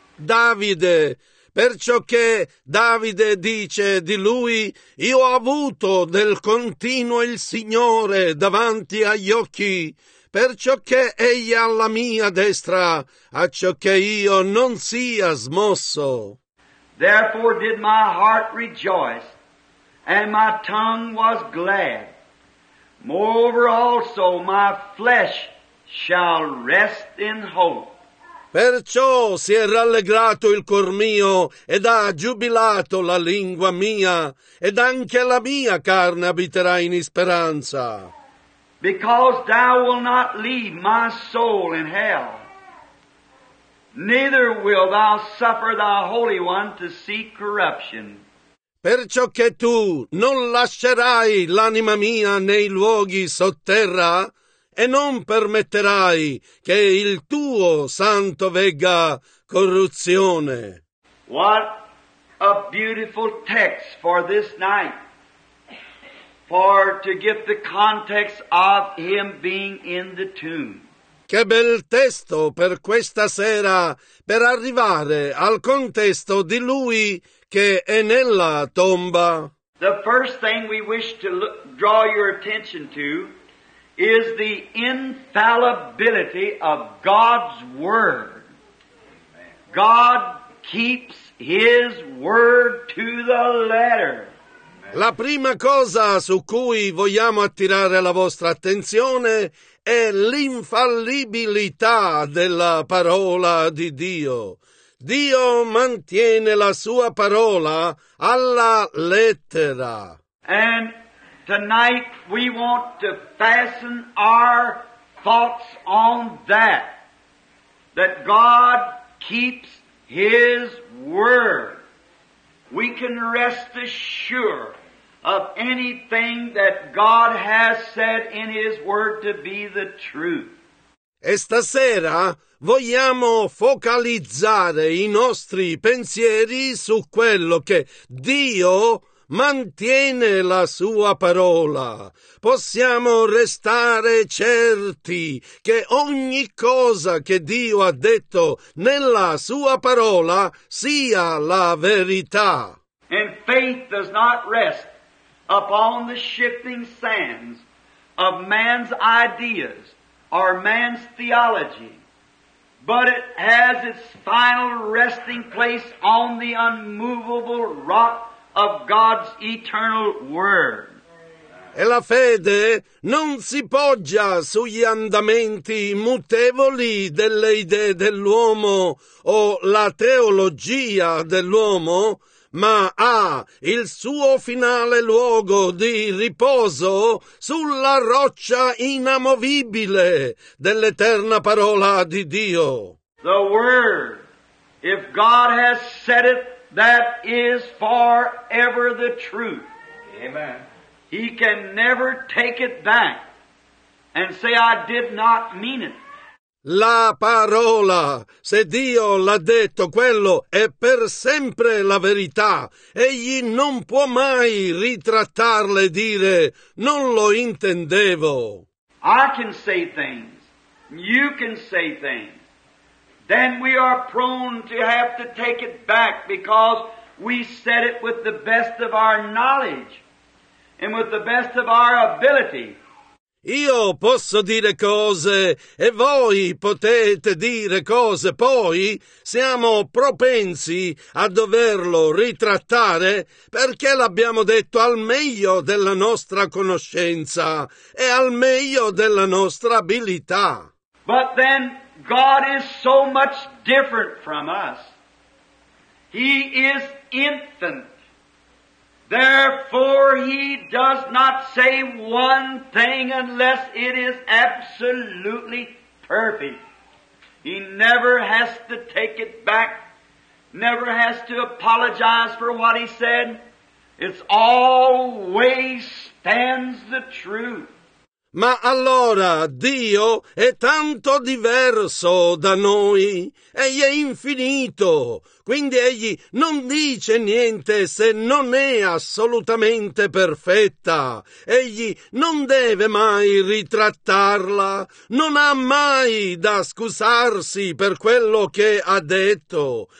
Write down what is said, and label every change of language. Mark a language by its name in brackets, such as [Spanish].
[Italian] Davide, perciò che Davide dice di lui, io ho avuto del continuo il Signore davanti agli occhi, perciò che egli alla mia destra, acciò che io non sia smosso. [English] Therefore did my heart rejoice, and my tongue was glad. Moreover also my flesh shall rest in hope. [Italian] Perciò si è rallegrato il cuor mio ed ha giubilato la lingua mia ed anche la mia carne abiterà in speranza. [English] Because thou wilt not leave my soul in hell, neither will thou suffer thy holy one to see corruption. [Italian] Perciò che tu non lascerai l'anima mia nei luoghi sotterra e non permetterai che il tuo santo vegga corruzione. [English] What a beautiful text for this night, for to get the context of him being in the tomb. [Italian] Che bel testo per questa sera per arrivare al contesto di lui che è nella tomba. [English] The first thing we wish to draw your attention to is the infallibility of God's Word. God keeps His Word to the letter. [Italian] La prima cosa su cui vogliamo attirare la vostra attenzione è l'infallibilità della parola di Dio. Dio mantiene la sua parola alla lettera. [English] And tonight we want to fasten our thoughts on that, that God keeps His word. We can rest assured of anything that God has said in His word to be the truth. [Italian] E stasera vogliamo focalizzare i nostri pensieri su quello che Dio mantiene la sua parola. Possiamo restare certi che ogni cosa che Dio ha detto nella sua parola sia la verità. [English] And faith does not rest upon the shifting sands of man's ideas or man's theology. But it has its final resting place on the unmovable rock of God's eternal word. [Italian] E la fede non si poggia sugli andamenti mutevoli delle idee dell'uomo o la teologia dell'uomo, ma ha il suo finale luogo di riposo sulla roccia inamovibile dell'eterna parola di Dio. [English] The Word, if God has said it, that is forever the truth. Amen. He can never take it back and say, I did not mean it. [Italian] La parola, se Dio l'ha detto, quello è per sempre la verità. Egli non può mai ritrattarle e dire, non lo intendevo. [English] I can say things, you can say things. Then we are prone to have to take it back because we said it with the best of our knowledge and with the best of our ability. [Italian] Io posso dire cose e voi potete dire cose, poi siamo propensi a doverlo ritrattare perché l'abbiamo detto al meglio della nostra conoscenza e al meglio della nostra abilità. [English] But then God is so much different from us. He is infinite. Therefore he does not say one thing unless it is absolutely perfect. He never has to take it back, never has to apologize for what he said. It always stands the truth. [Italian] Ma allora Dio è tanto diverso da noi. Egli è infinito, quindi egli non dice niente se non è assolutamente perfetta. Egli non deve mai ritrattarla, non ha mai da scusarsi per quello che ha detto.